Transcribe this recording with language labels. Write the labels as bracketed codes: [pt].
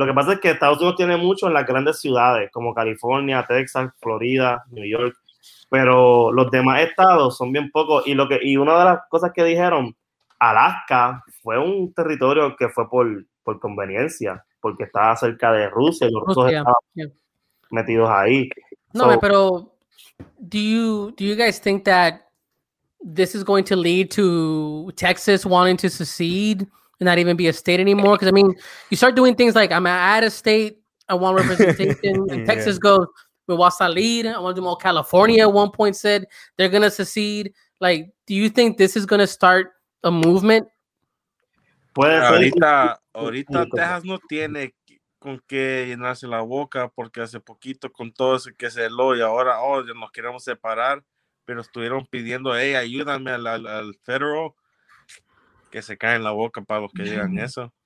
[es] Lo que pasa es que Estados Unidos tiene mucho en las grandes ciudades como California, Texas, Florida, New York. Pero los demás estados son bien pocos. Y una de las cosas que dijeron, Alaska fue un territorio que fue por conveniencia, porque estaba cerca de Rusia y los rusos metidos ahí. No, pero [en] do you guys think that this is going to lead to Texas wanting to secede and not even be a state anymore? Because I mean, you start doing things like, I'm at a state, I want representation, and Texas goes, [es] me voy a salir. [en] I want to do more California. At one point said they're gonna secede. Like, do you think this is gonna start a movement? [es] Pues ahorita Texas no tiene con qué llenarse la boca porque hace poquito con todo eso que se lo y ahora ya nos queremos separar, pero estuvieron pidiendo, hey, ayúdame al federal, que se caen la boca para los que digan eso.